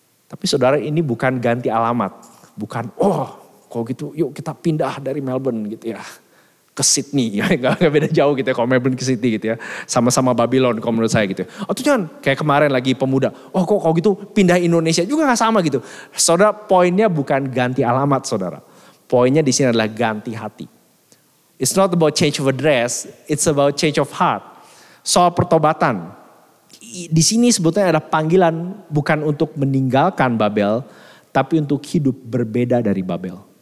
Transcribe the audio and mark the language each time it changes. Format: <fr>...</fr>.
<id>Tapi saudara, ini bukan ganti alamat, bukan oh kalau gitu yuk kita pindah dari Melbourne gitu ya ke Sydney, gak beda jauh gitu ya kalau Melbourne ke Sydney gitu ya, sama-sama Babylon kalau menurut saya gitu. Oh tuh kayak kemarin lagi pemuda, oh kok kalau gitu pindah Indonesia juga gak sama gitu. Saudara, poinnya bukan ganti alamat saudara, poinnya di sini adalah ganti hati.</id> <en>It's not about change of address, it's about change of heart.</en> <id>Soal pertobatan. Di sini sebetulnya ada panggilan bukan untuk meninggalkan Babel, tapi untuk hidup berbeda dari Babel.</id>